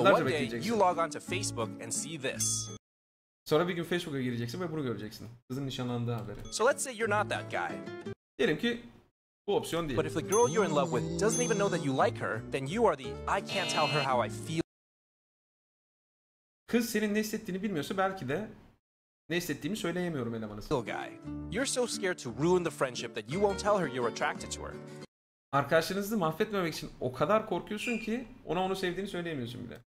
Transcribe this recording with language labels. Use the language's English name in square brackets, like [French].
[English] one day you log on to Facebook and see this. [Turkish] Sonra bir gün Facebook'a gireceksin ve bunu göreceksin. Kızın nişanlandığı haberi. [English] So let's say you're not that guy. [Turkish] Diyelim ki bu opsiyon değil. [English] But if the girl you're in love with doesn't even know that you like her, then you are the I can't tell her how I feel. [Turkish] Kız senin ne hissettiğini bilmiyorsa belki de ne hissettiğimi söyleyemiyorum elemanı. [English] Guy, you're so scared to ruin the friendship that you won't tell her you're attracted to her. [Turkish] Arkadaşınızı mahvetmemek için o kadar korkuyorsun ki ona onu sevdiğini söyleyemiyorsun bile.